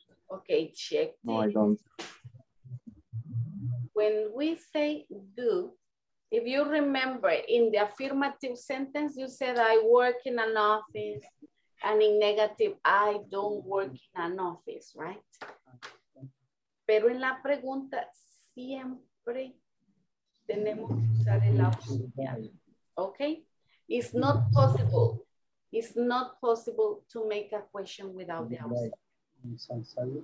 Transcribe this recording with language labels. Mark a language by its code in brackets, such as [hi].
[en] Okay, check. No, I don't. When we say do, if you remember in the affirmative sentence, you said I work in an office, and in negative, I don't work in an office, right? [es] Pero en la pregunta, siempre tenemos que usar el auxiliar, okay? [en] It's not possible. It's not possible to make a question without the auxiliar.